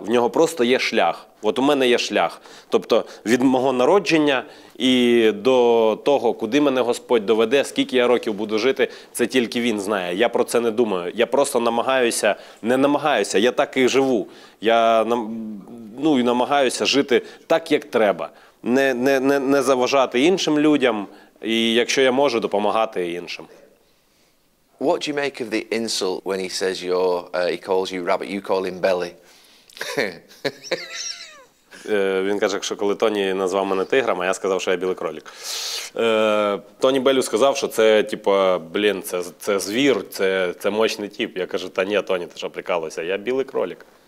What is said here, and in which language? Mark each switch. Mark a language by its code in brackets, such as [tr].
[uk] В нього просто є шлях. От у мене є шлях. Тобто від мого народження і до того, куди мене Господь доведе, скільки я років буду жити, це тільки Він знає. Я про це не думаю. Я просто не намагаюся, я так і живу. Я намагаюся жити так, як треба. Не заважати іншим людям, і якщо я можу, допомагати іншим. [en] What do you make of the insult when he says he calls you rabbit, you call him belly? [uk] Він каже, що коли Тоні назвав мене тигром, а я сказав, що я білий кролік. Тоні Беллю сказав, що це, типу, блін, це звір, це мощний тип. Я кажу, та ні, Тоні, ти що прикалуєшся, я білий кролік.